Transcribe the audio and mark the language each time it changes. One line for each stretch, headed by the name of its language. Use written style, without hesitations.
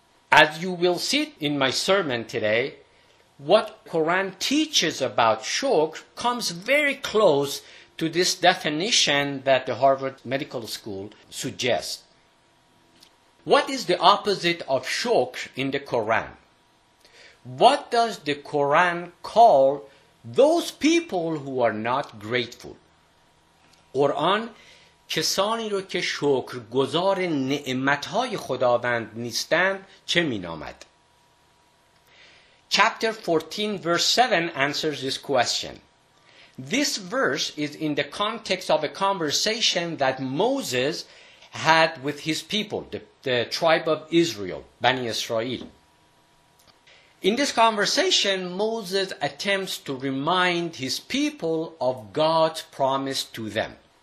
English: As you will see in my sermon today, what Quran teaches about shukr comes very close to this definition that the Harvard Medical School suggests. What is the opposite of shukr in the Quran? What does the Quran call those people who are not grateful?
Persian: Quran کسانی رو که شکر گزار نعمتهای خداوند نیستند چه می نامد؟
English: Chapter 14 verse 7 answers this question. This verse is in the context of a conversation that Moses had with his people, the tribe of Israel, Bani Israel. In this conversation, Moses attempts to remind his people of God's promise to them.